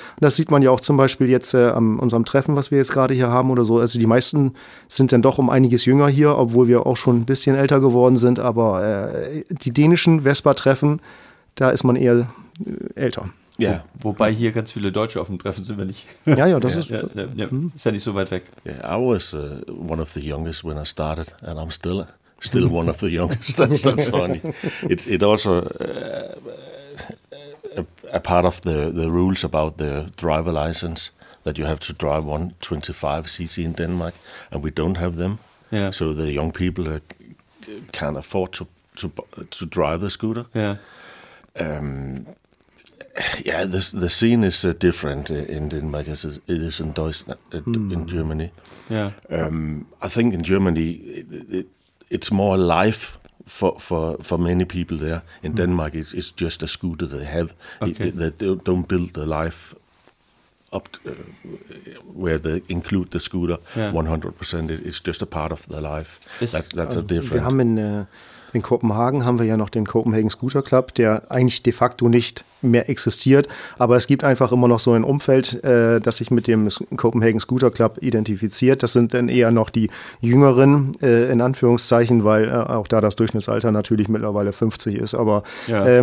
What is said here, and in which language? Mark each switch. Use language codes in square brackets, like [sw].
[de] Das sieht man ja auch zum Beispiel jetzt an unserem Treffen, was wir jetzt gerade hier haben oder so. Also die meisten sind dann doch um einiges jünger hier, obwohl wir auch schon ein bisschen älter geworden sind. Aber die dänischen Vespa-Treffen, da ist man eher älter. Ja, wobei hier ganz viele Deutsche auf dem Treffen sind, wenn ich... Ist ja nicht so weit weg. [en] Yeah, I was one of the youngest when I started, and I'm still one of the youngest. That's funny. It also a part of the rules about the driver license that you have to drive 125cc in Denmark, and we don't have them. Yeah. So the young people can't afford to drive the scooter. Yeah. Yeah, the scene is different in Denmark as it is in Deutschland, in Germany. Yeah, I think in Germany it's more life for many people there. In Denmark, it's just a scooter they have. Okay. They don't build the life up where they include the scooter 100%. It's just a part of the life. That's a difference. [de] Wir haben in In Kopenhagen haben wir ja noch den Copenhagen Scooter Club, der eigentlich de facto nicht mehr existiert. Aber es gibt einfach immer noch so ein Umfeld, das sich mit dem Copenhagen Scooter Club identifiziert. Das sind dann eher noch die Jüngeren, in Anführungszeichen, weil auch da das Durchschnittsalter natürlich mittlerweile 50 ist. Aber ja.